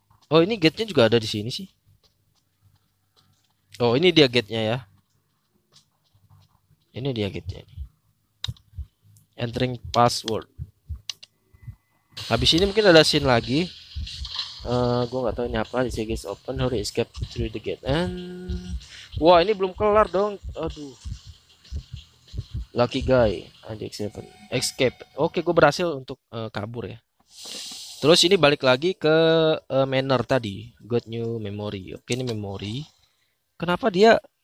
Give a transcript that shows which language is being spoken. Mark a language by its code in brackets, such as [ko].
[id] Oh ini gate-nya juga ada di sini sih. Oh ini dia gate-nya ya. Ini dia gate-nya. [en] Entering password. [id] Habis ini mungkin ada scene lagi. Gue nggak tahu ini apa. [en] This gate open, hurry escape through the gate. [id] And wah ini belum kelar dong. Aduh. [en] Lucky guy, Andy Seven, escape. [id] Oke, gue berhasil untuk kabur ya. Terus ini balik lagi ke manor tadi. [en] Got new memory. [id] Oke, ini memory. Kenapa dia?